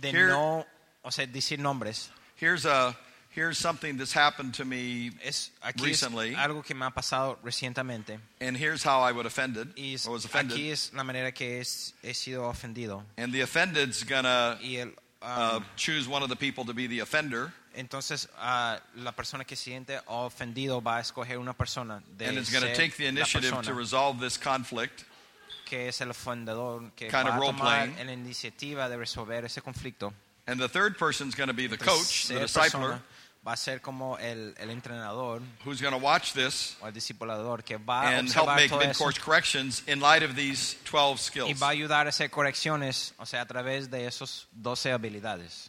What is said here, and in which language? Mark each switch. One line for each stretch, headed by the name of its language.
Spanish: de here, no, o sea, decir nombres.
English: Here's something that's happened to me
Spanish: aquí
English: recently.
Spanish: Es algo que me ha pasado recientemente.
English: And here's how I would offended. Or was offended.
Spanish: Aquí es la manera que he sido ofendido.
English: And the offended's gonna choose one of the people to be the offender.
Spanish: Entonces, la persona que siente ofendido va a escoger una persona de
English: and it's gonna take the initiative to resolve this conflict.
Spanish: Que es el ofendedor que
English: kind
Spanish: va
English: of role
Spanish: a tomar
English: playing.
Spanish: La iniciativa de resolver ese conflicto.
English: And the third person is going to be the coach, the discipler,
Spanish: va a ser como el entrenador,
English: who's going to watch this
Spanish: el discipulador, que va
English: and
Spanish: a
English: help make mid-course
Spanish: eso.
English: Corrections in light of these 12 skills.
Spanish: Y va a ayudar a hacer correcciones, o sea, a través de esos 12 habilidades.